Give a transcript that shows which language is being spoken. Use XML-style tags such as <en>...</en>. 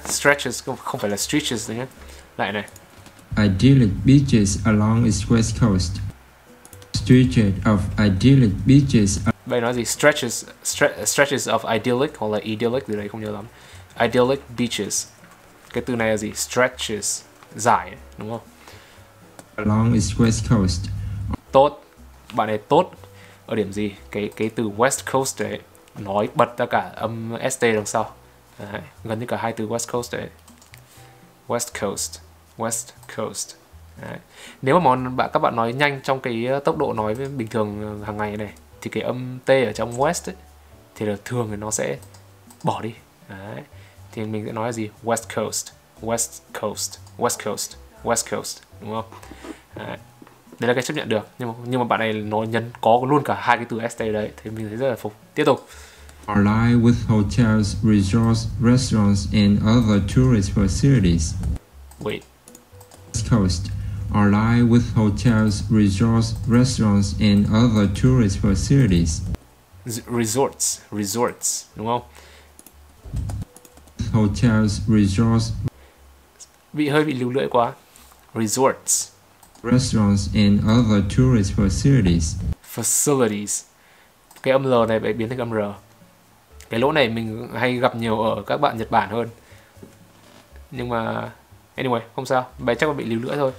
<vi>Stretches, không phải là stretches nhé. Lại này.</vi> <en>Idyllic beaches along its west coast. Stretched of idyllic beaches.</en> <vi>Vậy nói gì?</vi> <en>Stretches of idyllic.</en> <vi>Hoặc là idyllic, từ đây không nhớ lắm.</vi> <en>Idyllic beaches.</en> <vi>Cái từ này là gì? Stretches. Dài, đúng không?</vi> <en>Along its west coast.</en> <vi>Tốt. Bạn này tốt ở điểm gì? Cái từ west coast đấy nói bật ra cả âm st đằng sau. Đấy, gần như cả hai từ west coast đấy.</vi> <en>West coast. West coast.</en> <vi>Đấy. Nếu mà các bạn nói nhanh trong cái tốc độ nói bình thường hàng ngày này thì cái âm t ở trong west ấy, thì là thường thì nó sẽ bỏ đi. Đấy. Thì mình sẽ nói gì?</vi> <en>West coast. West coast. West coast.</en> <vi>West coast, đúng không? Đấy. Đấy là cái chấp nhận được, nhưng mà bạn này nó nhấn có luôn cả hai cái từ ST đấy, thì mình thấy rất là phục. Tiếp tục.</vi> <en>Ally with hotels, resorts, restaurants and other tourist facilities. Wait. West coast. Ally with hotels, resorts, restaurants and other tourist facilities. Resorts. Resorts.</en> <vi>Đúng không?</vi> <en>Hotels, resorts.</en> <vi>Hơi bị lưu lưỡi quá. Resorts.</vi> <en>Restaurants and other tourist facilities. Facilities.</en> <vi>Cái âm L này phải biến thành âm R. Cái lỗ này mình hay gặp nhiều ở các bạn Nhật Bản hơn. Nhưng mà anyway, không sao. Bài chắc bị lưu lưỡi thôi.</vi>